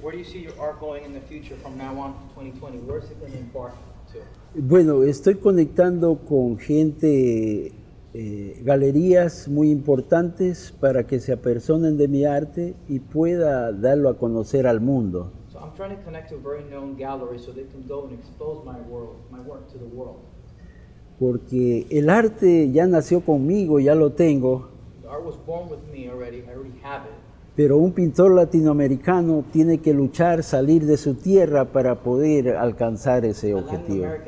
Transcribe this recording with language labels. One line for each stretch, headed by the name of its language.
English: Where do you see your art going in the future from now on to 2020? Where is it going to embark to?
Spanish: Bueno, estoy conectando con gente, galerías muy importantes para que se apersonen de mi arte y pueda darlo a conocer al mundo.
English: So I'm trying to connect to a very known gallery so they can go and expose my work to the world.
Spanish: Porque el arte ya nació conmigo, ya lo tengo.
English: Art was born with me already. I already have it.
Spanish: Pero un pintor latinoamericano tiene que luchar, salir de su tierra para poder alcanzar ese objetivo.